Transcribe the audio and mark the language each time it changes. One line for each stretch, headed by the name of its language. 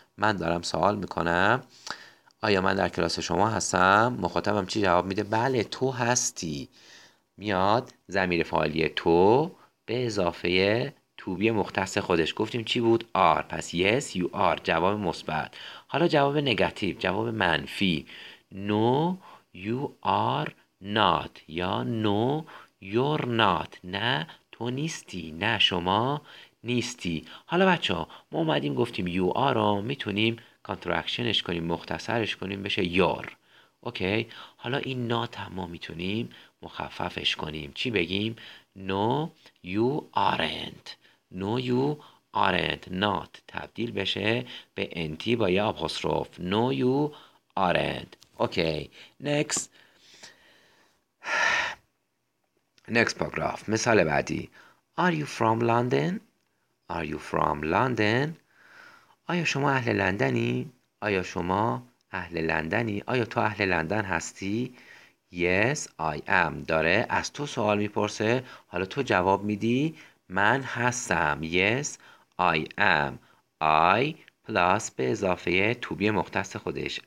Persian: من دارم سوال میکنم آیا من در کلاس شما هستم؟ مخاطبم چی جواب میده؟ بله تو هستی. میاد ضمیر فاعلی تو به اضافه تو بی مختص خودش. گفتیم چی بود؟ آر. پس
English: yes you are
Persian: جواب مثبت. حالا جواب نگاتیو، جواب منفی.
English: No you are not یا no you're not.
Persian: نه تو نیستی، نه شما نیستی. حالا بچه ها ما اومدیم گفتیم you are رو میتونیم contractionش کنیم، مختصرش کنیم بشه your. اوکی. حالا این not هم ما میتونیم مخففش کنیم. چی بگیم؟
English: no you aren't. no you aren't.
Persian: not تبدیل بشه به nt با یه آپوستروف.
English: no you aren't. Okay. next paragraph.
Persian: مثال بعدی.
English: are you from london؟ Are you from London?
Persian: آیا شما اهل لندنی؟ آیا شما اهل لندنی؟ آیا تو اهل لندن هستی؟
English: Yes, I am.
Persian: داره از تو سوال میپرسه. حالا تو جواب میدی. من هستم.
English: Yes, I am.
Persian: I plus به اضافه to be مختص خودش.